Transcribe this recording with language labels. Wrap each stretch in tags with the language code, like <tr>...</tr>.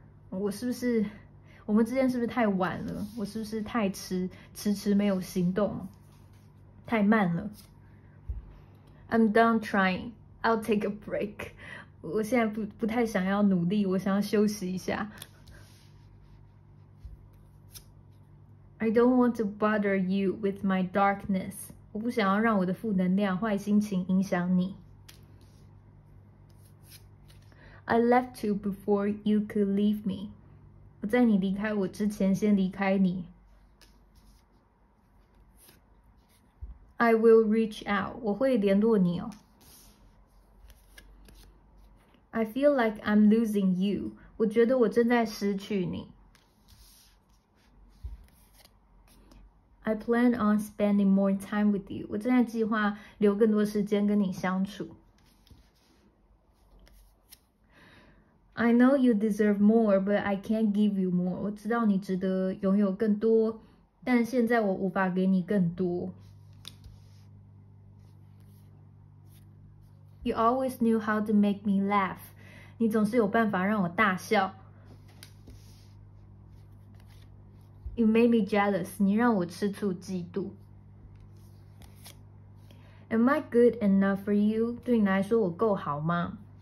<zh>我们之间是不是太晚了？我是不是太迟迟没有行动？太慢了。</zh> <en>I'm done trying. I'll take a break.</en> <zh>我现在不太想要努力，我想要休息一下。</zh> <en>I don't want to bother you with my darkness.</en> <zh>我不想要让我的负能量、坏心情影响你。</zh> <en>I left you before you could leave me.</en> <zh>我在你离开我之前先离开你。</zh> <en>I will reach out.</en> <zh>我会联络你哦。</zh> <en>I feel like I'm losing you.</en> <zh>我觉得我正在失去你。</zh> <en>I plan on spending more time with you.</en> <zh>我正在计划留更多时间跟你相处。</zh> <en>I know you deserve more, but I can't give you more.</en> <zh>我知道你值得拥有更多，但现在我无法给你更多。</zh> <en>You always knew how to make me laugh.</en> <zh>你总是有办法让我大笑。</zh> <en>You made me jealous.</en> <zh>你让我吃醋嫉妒。</zh> <en>Am I good enough for you?</en> <zh>对你来说我够好吗？</zh>